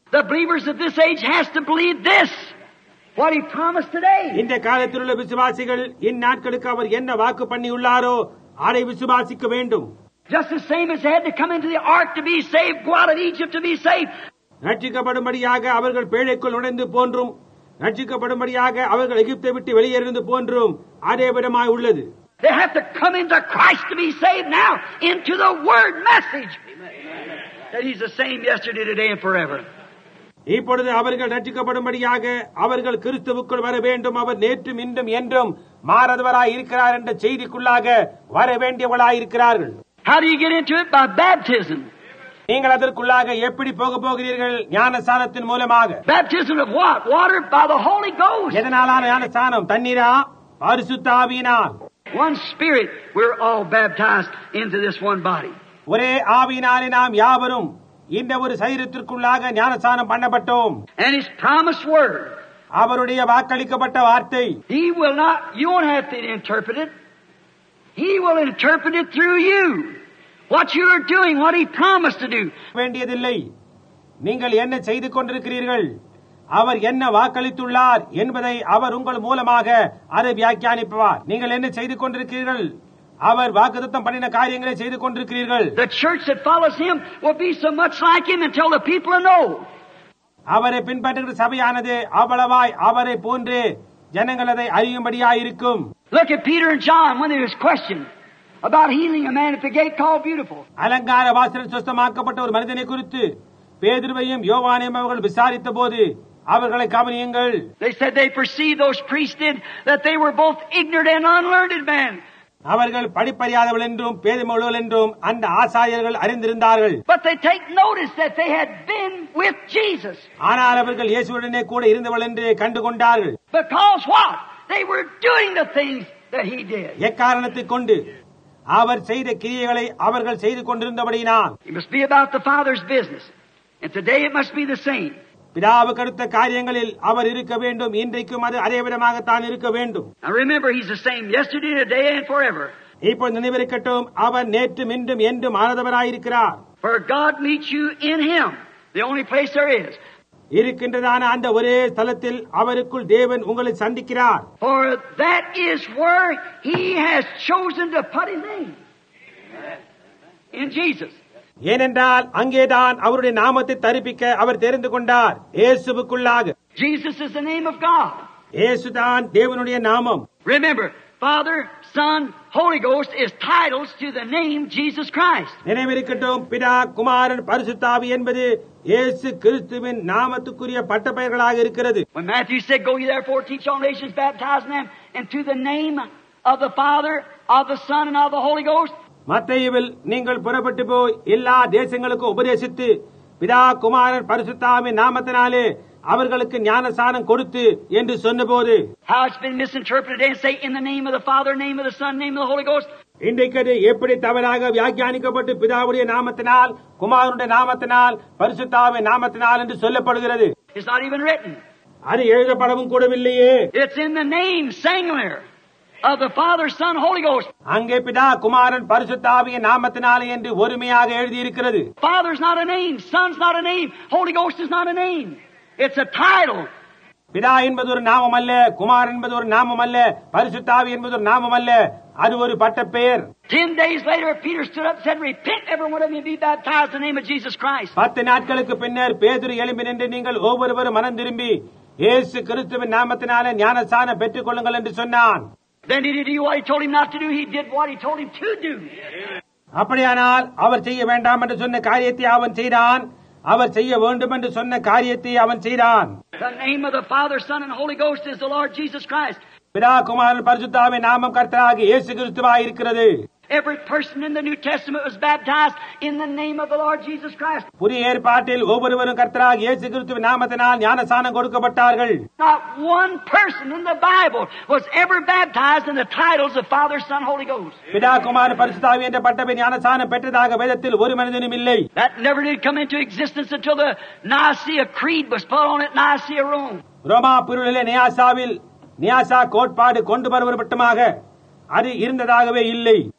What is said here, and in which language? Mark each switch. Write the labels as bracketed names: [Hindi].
[English] The believers of this age has to believe this. What he promised today. [Tamil] இந்த காலத்தில் உள்ள விசுவாசிகள் இந்நாட்களுக்கு அவர் என்ன வாக்கு பண்ணியுள்ளாரோ அதை விசுவாசிக்க வேண்டும். [English] Just the same as they had to come into the ark to be saved, go out of Egypt to be saved. [Tamil] ரட்சிக்கப்படும்படியாக அவர்கள் பேழைக்குள் நுழைந்து போன்றும் ரட்சிக்கப்படும்படியாக அவர்கள் எகிப்தை விட்டு வெளியேறிந்து போன்றும் அதே விதமாக உள்ளது. [English] They have to come into Christ to be saved now, into the word message. That he's the same yesterday, today and forever. [Tamil] இப்பொழுது அவர்கள் ரட்சிக்கப்படும்படியாக அவர்கள் கிறிஸ்துவுக்குள் வர வேண்டும். அவர் நேற்றும் இன்றும் என்றும் மாறாதவராய் இருக்கிறார் என்ற செய்திக்குள்ளாக வர வேண்டியவர்களாயிருக்கிறார்கள். [English] How do you get into it? By baptism. [Tamil] நீங்கள் அதற்குள்ளாக எப்படி போக போகிறீர்கள்? ஞானஸ்நானத்தின் மூலமாக. [English] Baptism of what? Water by the Holy Ghost. [Tamil] எதனாலான ஞானஸ்நானம்? தண்ணீரா? பரிசுத்த ஆவியினால். [English] One spirit, we're all baptized into this one body. [Tamil] ஒரே ஆவியினாலே நாம் யாவரும் இந்த ஒரு சரீரத்திற்குள்ளாக ஞானஸ்நானம் பண்ணப்பட்டோம். [English] And his promised word. [Tamil] அவருடைய வாக்களிக்கப்பட்ட வார்த்தை. [English] He will not, you won't have to interpret it. He will interpret it through you. What you are doing, what he promised to do. [Tamil] வேண்டியதில்லை. நீங்கள் என்ன செய்து கொண்டிருக்கிறீர்கள்? அவர் என்ன வாக்களித்துள்ளார் என்பதை அவர் உங்கள் மூலமாக அதை வியாக்கியானிப்பார். நீங்கள் என்ன செய்து கொண்டிருக்கிறீர்கள்? அவர் வாக்குத்தத்தம் பண்ணின காரியங்களை செய்து கொண்டிருக்கிறீர்கள். [English] The church that follows him will be so much like him until the people know. [Tamil] அவரை பின்பற்றுகிற சபையானது அவ்வளவாய் அவரை போன்று ஜனங்கள் அதை அறியும்படியாயிருக்கும். [English] Look at Peter and John when there was question about healing a man at the gate called Beautiful. [Tamil] அலங்கார வாசலில் சுத்தமாக்கப்பட்ட ஒரு மனிதனை குறித்து பேதுருவையும் யோவானையும் அவர்கள் விசாரித்த போது அவர்களை கவனியுங்கள். [English] They said they perceived those priests did that they were both ignorant and unlearned men. [Tamil] அவர்கள் படிப்பறியாதவள் என்றும் பேதுமொழிகள் என்றும் அந்த ஆசாரியர்கள் அறிந்திருந்தார்கள். [English] But they take notice that they had been with Jesus. [Tamil] ஆனால் அவர்கள் இயேசுவுடனே கூட இருந்தவள் என்று கண்டுகொண்டார்கள். [English] Because what? They were doing the things that he did. [Tamil] எக்காரணத்தை கொண்டு அவர் செய்த கிரியைகளை அவர்கள் செய்து கொண்டிருந்தபடியினால். [English] It must be about the Father's business. And today it must be the same. [Tamil] பிதாவுக்கு அடுத்த காரியங்களில் அவர் இருக்க வேண்டும். இன்றைக்கும் அது அதே விதமாகத்தான் இருக்க வேண்டும். [English] Now remember, he's the same yesterday, today and forever. [Tamil] இப்போ நினைவிருக்கட்டும், அவர் நேற்றும் இன்றும் என்றும் ஆனதவராயிருக்கிறார். [English] For God meets you in him, the only place there is. [Tamil] இருக்கின்றதான அந்த ஒரே ஸ்தலத்தில் அவருக்குள் தேவன் உங்களை சந்திக்கிறார். [English] For that is where he has chosen to put his name. In Jesus. [Tamil] ஏனென்றால் அங்கேதான் அவருடைய நாமத்தை தரிப்பிக்க அவர் தெரிந்து கொண்டார். இயேசுவுக்குள்ளாக. [English] Jesus is the name of God. [Tamil] இயேசுதான் தேவனுடைய நாமம். [English] Remember, Father, Son, Holy Ghost is titles to the name Jesus Christ. [Tamil] நினைவிருக்கட்டும், பிதா, குமாரன், பரிசுத்தாவி என்பது இயேசு கிறிஸ்துவின் நாமத்துக்குரிய பட்டப்பெயர்களாக இருக்கிறது. [English] When Matthew said, "Go ye therefore, teach all nations, baptizing them into the name of the Father, of the Son, and of the Holy Ghost." [Tamil] மத்தேயுவில் நீங்கள் புறப்பட்டு போய் எல்லா தேசங்களுக்கும் உபதேசித்து பிதா, குமாரன், பரிசுத்தாவி நாமத்தினாலே அவர்களுக்கு ஞானஸ்நானம் கொடுத்து என்று சொன்னபோது. [English] How it's been misinterpreted and say in the name of the Father, name of the Son, name of the Holy Ghost. [Tamil] இன்றைக்கு அது எப்படி தவறாக வியாக்கியானிக்கப்பட்டு பிதாவுடைய நாமத்தினால், குமாரனுடைய நாமத்தினால், பரிசுத்தாவின் நாமத்தினால் என்று சொல்லப்படுகிறது. [English] It's not even written. [Tamil] அது எழுதப்படவும் கூடவில்லையே. [English] It's in the name singular of the Father, Son, Holy Ghost. [Tamil] அங்கே பிதா, குமாரன், பரிசுத்தாவியின் நாமத்தினால் என்று ஒருமையாக எழுதியிருக்கிறது. [English] Father's not a name, Son's not a name, Holy Ghost is not a name. It's a title. [Tamil] பிதா என்பது ஒரு நாமம் அல்ல, குமார் என்பது ஒரு நாமம் அல்ல, பரிசுத்தாவி என்பது ஒரு நாமம் அல்ல, அது ஒரு பட்டப்பெயர். [English] 10 days later Peter stood up and said, repent every one of you and be baptized in the name of Jesus Christ. [Tamil] 10 நாட்களுக்கு பின்னர் பேதுரு எழும்பி நின்று நீங்கள் ஒவ்வொருவரும் மனம் திரும்பி இயேசு கிறிஸ்துவின் நாமத்தினாலே ஞானஸ்நானம் பெற்றுக் கொள்ளுங்கள் என்று சொன்னான். [English] Then he did what he told him not to do, he did what he told him to do. [Tamil] அப்படியானால் அவர் செய்ய வேண்டாம் என்று சொன்ன காரியத்தை அவன் செய்தான், அவர் செய்ய வேண்டும் என்று சொன்ன காரியத்தை அவன் செய்தான். [English] The name of the Father, Son and Holy Ghost is the Lord Jesus Christ. [Tamil] பிதா குமாரன் பரிசுத்தாவின் நாமம் கர்த்தராகிய இயேசு கிறிஸ்துவாய் இருக்கிறது. [English] Every person in the New Testament was baptized in the name of the Lord Jesus Christ. [Tamil] புதிய ஏற்பாட்டில் ஒவ்வொருவரும் கர்த்தராகிய இயேசு கிறிஸ்துவின் நாமத்தினால் ஞானஸ்நானம் கொடுக்கப்பட்டார்கள். [English] Not one person in the Bible was ever baptized in the titles of Father, Son, Holy Ghost. [Tamil] பிதா குமாரன் பரிசுத்தாவி என்ற பட்டப்பெயர் ஞானஸ்நானம் பெற்றதாக வேதத்தில் ஒரு மனிதனும் இல்லை. [English] That never did come into existence until the Nicaea Creed was put on at Nicaea, Rome. [Tamil] ரோமா புரியிலே நியாசாவில் Niassa கோட்பாடு கொண்டு வரப்பட்டமாக அது இருந்ததாகவே இல்லை.